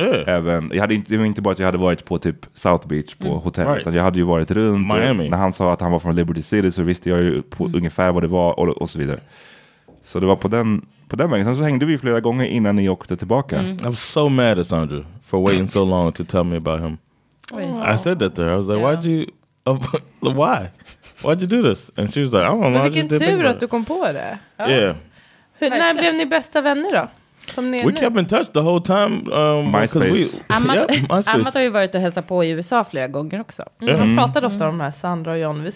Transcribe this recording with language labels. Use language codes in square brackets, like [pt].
[sv] Även, jag hade inte, det var inte bara att jag hade varit på typ South Beach på hotellet, utan jag hade ju varit runt. Miami. När han sa att han var från Liberty City så visste jag ju på ungefär vad det var och så vidare. Så det var på den vägen. Sen så hängde vi flera gånger innan ni åkte tillbaka. [en] I was so mad at Sandra for waiting so long to tell me about him. Oh. I said that to her. I was like, why'd you... why? Why'd you do this? And she was like, I don't know. [sv] Vilken tur att du kom på det. Ja. Yeah. När blev ni bästa vänner då? Som ni [en] we [sv] nu? [en] Kept in touch the whole time. MySpace. [sv] Amat har ju varit och hälsat på i USA flera gånger också. Man pratade ofta om de här, Sandra och John.